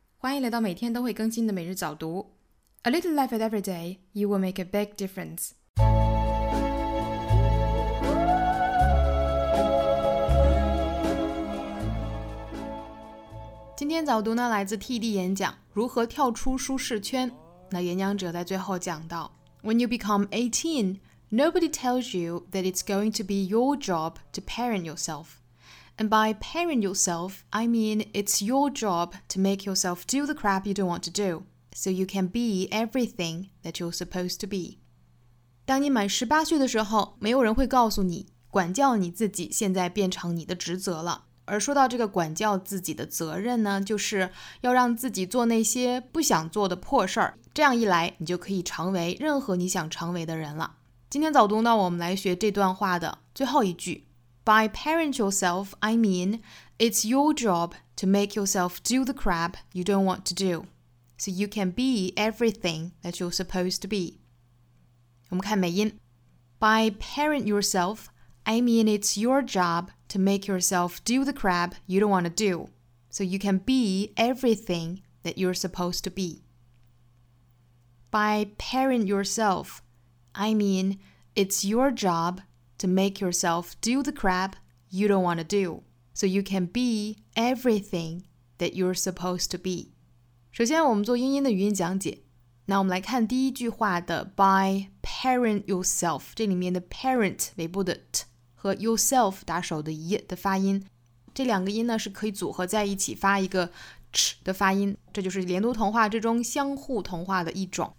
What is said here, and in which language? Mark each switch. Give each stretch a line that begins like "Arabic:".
Chinese: 欢迎来到每天都会更新的每日早读。
English: A little life at every day, you will make a big difference.
Chinese: 今天早读呢来自 TD 演讲，如何跳出舒适圈。那演讲者在最后讲到
English: When you become 18, nobody tells you that it's going to be your job to parent yourself. And by parent yourself, I mean it's your job to make yourself do the crap you don't want to do, so you can be everything that you're supposed to be.
Chinese: 当你满18岁的时候，没有人会告诉你，管教你自己现在变成你的职责了。而说到这个管教自己的责任呢，就是要让自己做那些不想做的破事儿，这样一来，你就可以成为任何你想成为的人了。今天早读呢，我们来学这段话的最后一句。
English: By parent yourself, I mean, it's your job to make yourself do the crap you don't want to do, so you can be everything that you're supposed to be.
Chinese: 我们看美音。
English: By parent yourself, I mean, it's your job to make yourself do the crap you don't want to do, so you can be everything that you're supposed to be. By parent yourself, I mean, it's your job. To make yourself do the crap you don't want to do, so you can be everything that you're supposed to be.
Chinese: 首先我们做英音的语音讲解。那我们来看第一句话的
English: by parent yourself,
Chinese: 这里面的 parent 尾部的 t 和 yourself 打手的 y 的发音。这两个音呢是可以组合在一起发一个 ch 的发音。这就是连读同化之中相互同化的一种。